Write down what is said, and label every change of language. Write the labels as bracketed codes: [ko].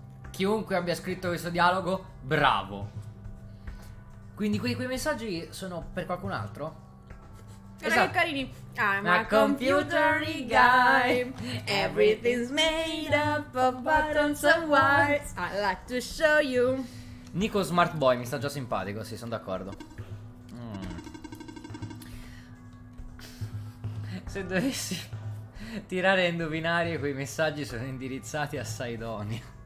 [it] Chiunque abbia scritto questo dialogo, bravo. Quindi quei messaggi sono per qualcun altro? Esatto. Che carini. [en] I'm a computer guy. Everything's made up of buttons and wires. I like to show you. [it] Nico Smart Boy mi sta già simpatico, sì, sono d'accordo. Se dovessi tirare a indovinare, quei messaggi sono indirizzati a Sidonia.